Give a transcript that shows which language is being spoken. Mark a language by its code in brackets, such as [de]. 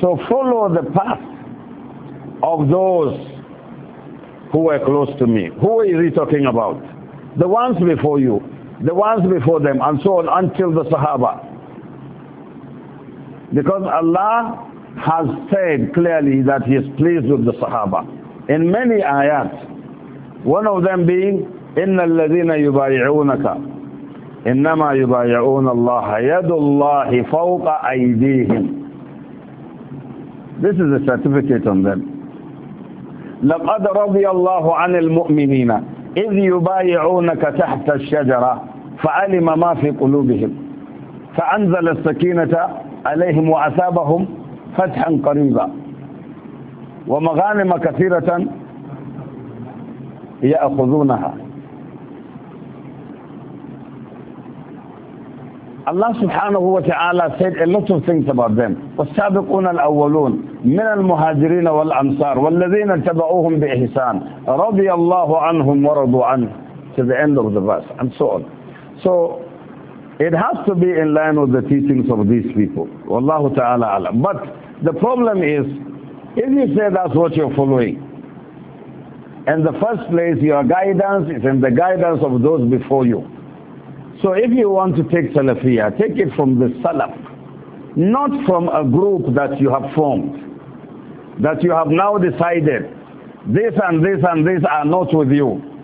[en] So follow the path of those who were close to me. Who is he talking about? The ones before you, the ones before them, and so on until the Sahaba. Because Allah has said clearly that he is pleased with the Sahaba in many ayat. One of them being, [ar] إِنَّ الَّذِينَ يُبَايِعُونَكَ إِنَّمَا يُبَايِعُونَ اللَّهَ يَدُ اللَّهِ فَوْقَ أَيْدِيهِمْ. [en] This is a certificate on them. [ar] لَقَدْ رَضِيَ اللَّهُ عَنِ الْمُؤْمِنِينَ إِذْ يُبَايِعُونَكَ تَحْتَ الشَّجَرَةِ فَعَلِمَ مَا فِي قُلُوبِهِمْ فَأَنْزَلَ السَّكِينَةَ عَلَيْهِمْ وَعَثَابَهُمْ فَتْحًا قَرِيبًا وَمَغَانِمَ كَثِيرَةً يَأْخُذُونَهَا. [en] Allah subhanahu wa ta'ala said a lot of things about them. [ar] وَالسَّابِقُونَ الْأَوَّلُونَ مِنَ الْمُهَاجِرِينَ وَالْأَنْصَارِ وَالَّذِينَ اتَّبَعُوهُمْ بِإِحْسَانٍ رَضِيَ اللَّهُ عَنْهُمْ وَرَضُوا عَنْهُ, [en] to the end of the verse, and so on. So, it has to be in line with the teachings of these people. [ar] وَاللَّهُ تَعَالَى أَعْلَمُ. [en] But the problem is, if you say that's what you're following, in the first place, your guidance is in the guidance of those before you. So if you want to take Salafiyah, take it from the Salaf, not from a group that you have formed, that you have now decided this and this and this are not with you.